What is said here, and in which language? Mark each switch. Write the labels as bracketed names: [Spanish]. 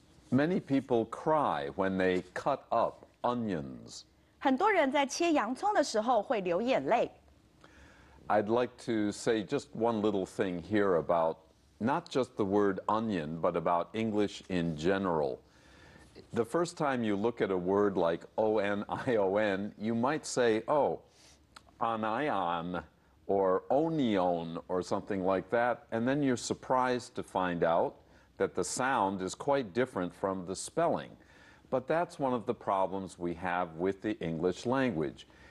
[English] Many people cry when they cut up onions. [Chinese] 很多人在切洋葱的时候会流眼泪。 [English] I'd like to say just one little thing here about not just the word onion, but about English in general. The first time you look at a word like O-N-I-O-N, you might say, oh, onion or onion or something like that, and then you're surprised to find out that the sound is quite different from the spelling.But that's one of the problems we have with the English language.